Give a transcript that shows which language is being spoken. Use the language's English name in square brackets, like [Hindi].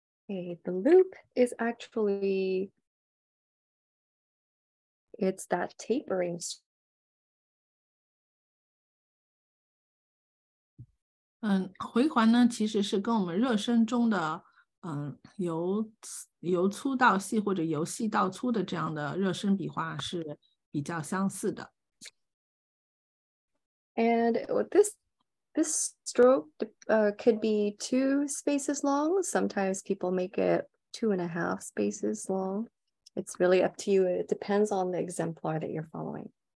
[English] Okay, the loop is actually, it's that tapering. [Chinese] 回环呢，其实是跟我们热身中的由粗到细或者由细到粗的这样的热身笔画是比较相似的。 [English] And this stroke could be two spaces long. Sometimes people make it 2.5 spaces long. It's really up to you. It depends on the exemplar that you're following.